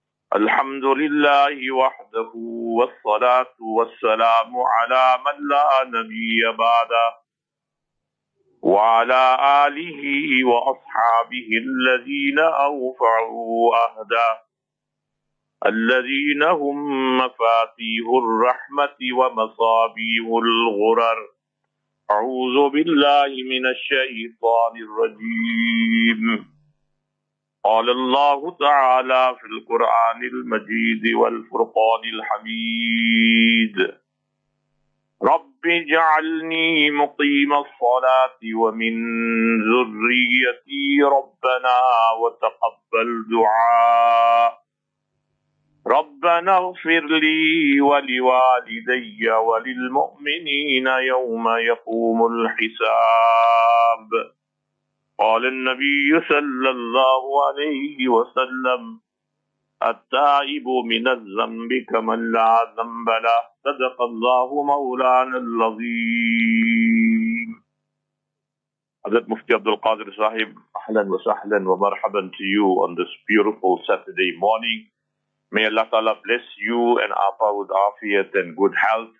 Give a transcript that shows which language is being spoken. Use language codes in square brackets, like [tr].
[ar] Alhamdulillahi wahdahu wa salatu wa salamu ala man la nabiyya ba'da wa ala alihi wa ashabihi alladhina awfa'u ahda الذين هم مفاتيح الرحمة ومصابيح الغرر. أعوذ بالله من الشيطان الرجيم. قال الله تعالى في القرآن المجيد والفرقان الحميد: رب اجعلني مقيم الصلاة ومن ذريتي ربنا وتقبل دعاء. ربنا اغفر لي ولوالدي وللمؤمنين يوم يقوم الحساب. قال النبي صلى الله عليه وسلم: التائب من الذنب كمن لا ذنب له. صدق الله مولانا العظيم. [en] حضرت مفتي عبد القادر صاحب, [ar] اهلا وسهلا ومرحبا [en] to you on this beautiful Saturday morning. May Allah Ta'ala bless you and Apa with afiyat and good health.